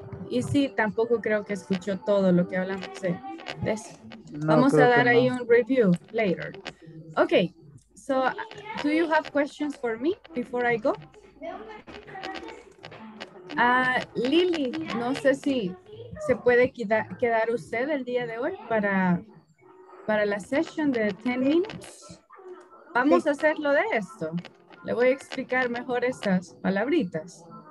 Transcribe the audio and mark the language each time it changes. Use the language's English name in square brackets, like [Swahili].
[Spanish] Y sí, tampoco creo que escuchó todo lo que hablamos de eso. No, vamos a dar ahí un review later. Ok. [English] So, do you have questions for me before I go? [Spanish] Lily, no sé si se puede quedar usted el día de hoy para la session de [English] 10 minutes. [Spanish] Vamos a hacerlo de esto. Le voy a explicar mejor estas palabritas.